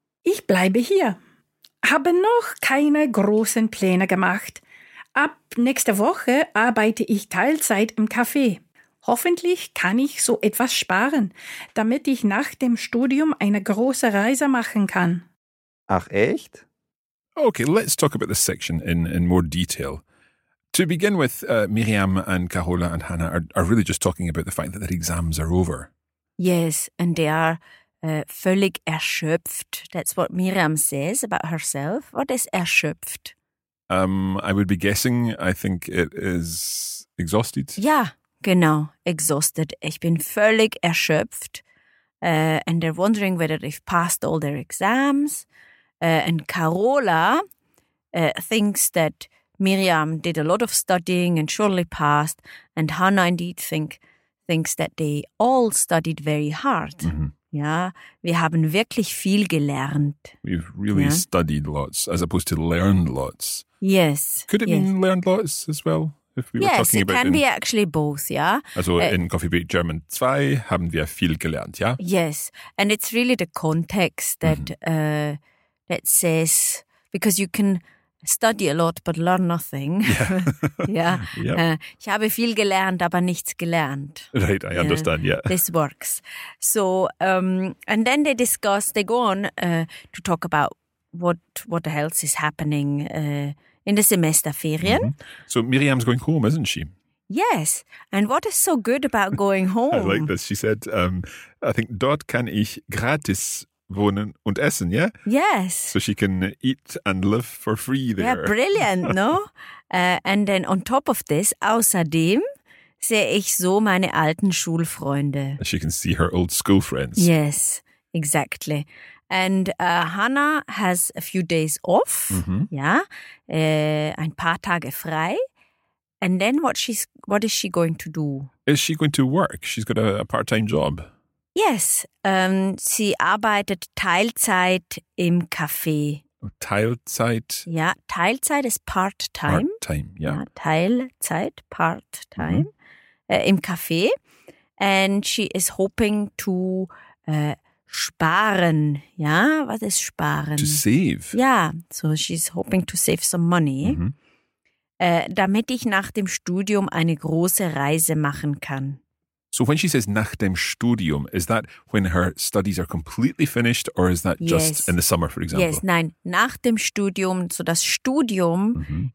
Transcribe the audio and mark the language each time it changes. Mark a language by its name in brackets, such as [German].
[German] Ich bleibe hier. Habe noch keine großen Pläne gemacht. Ab nächster Woche arbeite ich Teilzeit im Café. Hoffentlich kann ich so etwas sparen, damit ich nach dem Studium eine große Reise machen kann. Ach echt? [English] Okay, let's talk about this section in more detail. To begin with, Miriam and Carola and Hannah are really just talking about the fact that their exams are over. Yes, and they are [German] völlig erschöpft. [English] That's what Miriam says about herself. What is erschöpft? I would be guessing, I think it is exhausted. [German] Ja, genau, exhausted. Ich bin völlig erschöpft. [English] And they're wondering whether they've passed all their exams. And Carola thinks that Miriam did a lot of studying and surely passed. And Hannah indeed thinks that they all studied very hard. Mm-hmm. [German] Yeah, wir haben wirklich viel gelernt. [English] We've really yeah? studied lots as opposed to learned lots. Yes. Could it yes. mean learned lots as well? If we yes, were talking it about can be actually both, yeah. [German] Also in Coffee Break German 2 haben wir viel gelernt, yeah? [English] Yes, and it's really the context that mm-hmm. That says, because you can study a lot, but learn nothing. Yeah. yeah. Yep. [German] Ich habe viel gelernt, aber nichts gelernt. [English] Right, I understand, yeah. This works. So, and then they go on to talk about what else is happening in the Semesterferien. Mm-hmm. So Miriam's going home, isn't she? Yes, and what is so good about going home? I like this. She said, I think, [German] dort kann ich gratis wohnen und essen, [English] yeah? Yes. So she can eat and live for free there. Yeah, brilliant, no? And then on top of this, [German] außerdem sehe ich so meine alten Schulfreunde. [English] She can see her old school friends. Yes, exactly. And Hannah has a few days off, mm-hmm. yeah, [German] ein paar Tage frei. [English] And then what is she going to do? Is she going to work? She's got a part-time job. [German] Yes, sie arbeitet Teilzeit im Café. Teilzeit? Ja, Teilzeit [English] is part-time. Part-time, yeah. [German] Ja, Teilzeit, part-time, mm-hmm. Im Café. [English] And she is hoping to sparen, ja? [German] Was ist sparen? [English] To save. Ja, so she's hoping to save some money. Mm-hmm. [German] Damit ich nach dem Studium eine große Reise machen kann. [English] So when she says [German] nach dem Studium, [English] is that when her studies are completely finished or is that just yes. in the summer, for example? [German] Yes, nein, nach dem Studium, so das Studium mm-hmm.